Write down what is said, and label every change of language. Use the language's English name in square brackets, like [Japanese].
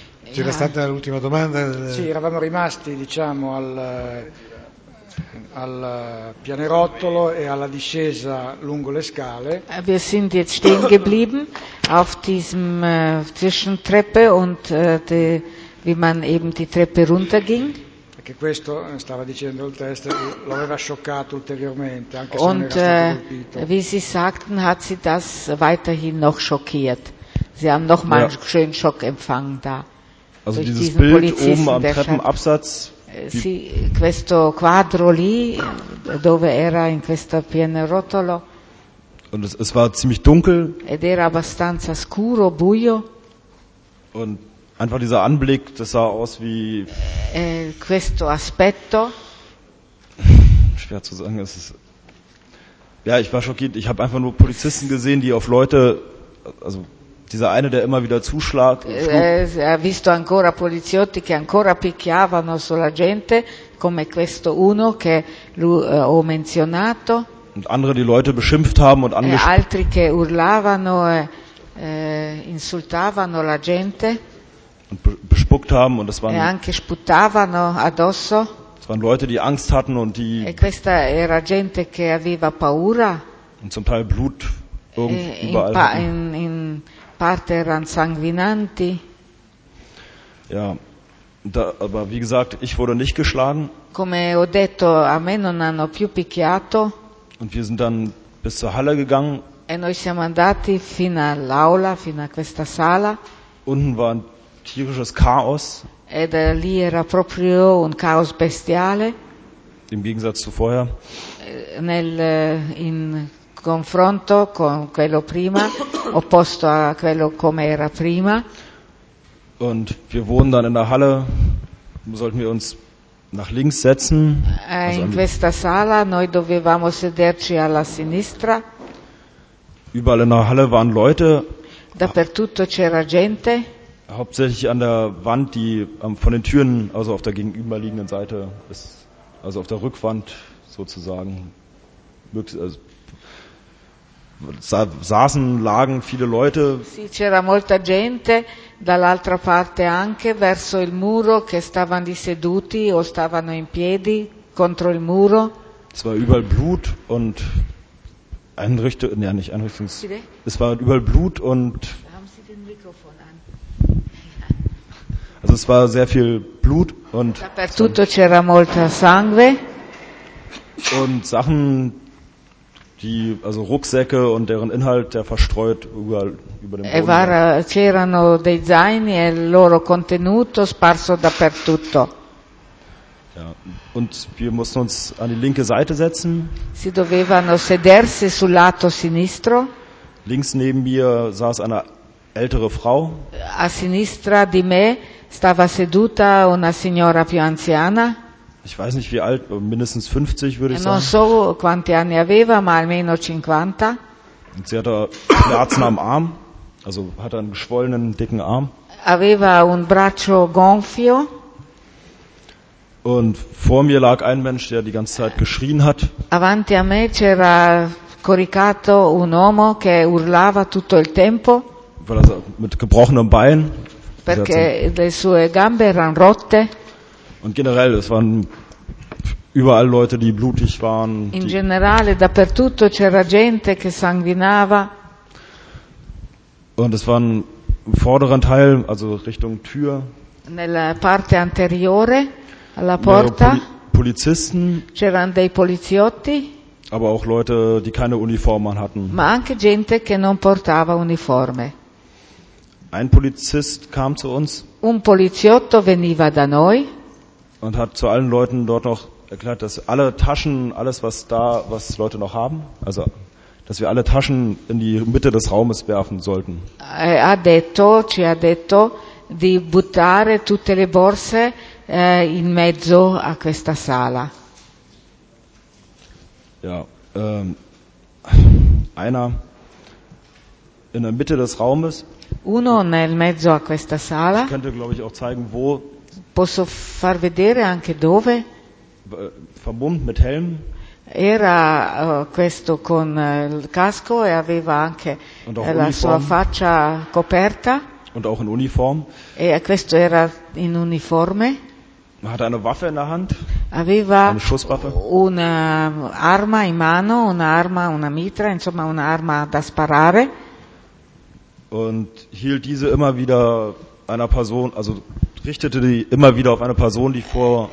[Italian] C'era stata l'ultima domanda? Sì, eravamo rimasti diciamo al pianerottolo e alla discesa lungo le scale. [German] Wir sind jetzt stehen geblieben auf diesem Zwischentreppe und wie man eben die Treppe runterging. [Italian] Perché questo stava dicendo il test, lo aveva scioccato ulteriormente, anche se [German] und, [Italian] non era stato colpito. [German] Und wie sie sagten, hat sie das weiterhin noch schockiert. Sie haben noch mal einen schönen Schock empfangen da. Also dieses Bild oben am Treppenabsatz. [Italian] Sì, questo quadro lì dove era in questo pianerottolo. [German] Und es war ziemlich dunkel. [Italian] Ed era abbastanza scuro, buio. [German] Und einfach dieser Anblick, das sah aus wie. [Italian] Questo aspetto. [German] Schwer zu sagen, es ist. Ja, ich war schockiert. Ich habe einfach nur Polizisten gesehen, die auf Leute, also. Dieser eine, der immer wieder zuschlag. [Italian] Ha visto ancora poliziotti che ancora picchiavano sulla gente, come questo uno che ho menzionato. [German] Und andere, die Leute beschimpft haben und [Italian] altri che urlavano e insultavano la gente. [German] Und bespuckt haben und das waren. [Italian] E anche sputavano addosso. [German] Das waren Leute, die Angst hatten und die. [Italian] E questa era gente che aveva paura. [German] Und zum Teil Blut überall. [Italian] Parte eran sanguinanti. [German] Ja, da, aber wie gesagt, ich wurde nicht geschlagen. [Italian] Come ho detto, a me non hanno più picchiato. [German] Und wir sind dann bis zur Halle gegangen. [Italian] E noi siamo andati fino all'aula, fino a questa sala. [German] Unten war ein tierisches Chaos. [Italian] Ed lì era proprio un caos bestiale. [German] Im Gegensatz zu vorher. [Italian] In confronto con quello prima, opposto a quello come era prima. [German] Und wir wurden dann in der Halle, sollten wir uns nach links setzen. [Italian] In questa sala noi dovevamo sederci alla sinistra. [German] Überall in der Halle waren Leute. [Italian] Dappertutto c'era gente. [German] Hauptsächlich an der Wand, die von den Türen, also auf der gegenüberliegenden Seite, ist, also auf der Rückwand sozusagen, also saßen, lagen viele Leute. [Italian] Sì, c'era molta gente dall'altra parte anche verso il muro che stavano lì seduti o stavano in piedi contro il muro. [German] Es war überall Blut und es war überall Blut und. Haben Sie den Mikrofon an? Also es war sehr viel Blut und. [Italian] Dappertutto c'era molta sangue. [German] Und Sachen. Die, also Rucksäcke und deren Inhalt, der verstreut überall über dem Boden. [Italian] C'erano dei zaini e il loro contenuto sparso dappertutto. [German] Ja, und wir mussten uns an die linke Seite setzen. [Italian] Si dovevano sedersi sul lato sinistro. [German] Links neben mir saß eine ältere Frau. [Italian] A sinistra di me stava seduta una signora più anziana. [German] Ich weiß nicht wie alt, mindestens 50 würde ich [Italian] non [German] sagen. [Italian] Non so quanti anni aveva, ma almeno 50. [German] Und sie hatte Schmerzen am Arm, also hatte einen geschwollenen, dicken Arm. [Italian] Aveva un braccio gonfio. [German] Und vor mir lag ein Mensch, der die ganze Zeit geschrien hat. [Italian] Avanti a me c'era coricato un uomo che urlava tutto il tempo. [German] Weil er mit gebrochenem Bein. [Italian] Perché le sue gambe erano rotte. [German] Und generell, es waren überall Leute, die blutig waren. [Italian] In generale, dappertutto c'era gente che sanguinava. [German] Und es waren im vorderen Teil, also Richtung Tür. [Italian] Nella parte anteriore. Alla porta. [German] Polizisten, [Italian] c'erano dei poliziotti, [German] aber auch Leute, die keine Uniform an hatten. [Italian] Ma anche gente che non portava uniforme. [German] Ein Polizist kam zu uns. [Italian] Un poliziotto veniva da noi. [German] Und hat zu allen Leuten dort noch erklärt, dass alle Taschen, alles was da, was Leute noch haben, also dass wir alle Taschen in die Mitte des Raumes werfen sollten. [Italian] Ci ha detto di buttare tutte le borse in mezzo a questa sala. [German] Ja, einer in der Mitte des Raumes. [Italian] Uno nel mezzo a questa sala. [German] Ich könnte, glaube ich, auch zeigen, wo. [Italian] Posso far vedere anche dove. [German] Verbund mit Helm. [Italian] Era questo con il casco e aveva anche la sua faccia coperta. [German] Und auch in Uniform. [Italian] E questo era in uniforme. [German] Hatte eine Waffe in der Hand. [Italian] Aveva [German] eine Schusswaffe. [Italian] Una arma in mano, una mitra, insomma una arma da sparare. [German] Und hielt diese immer wieder einer Person, also richtete die immer wieder auf eine Person, die vor.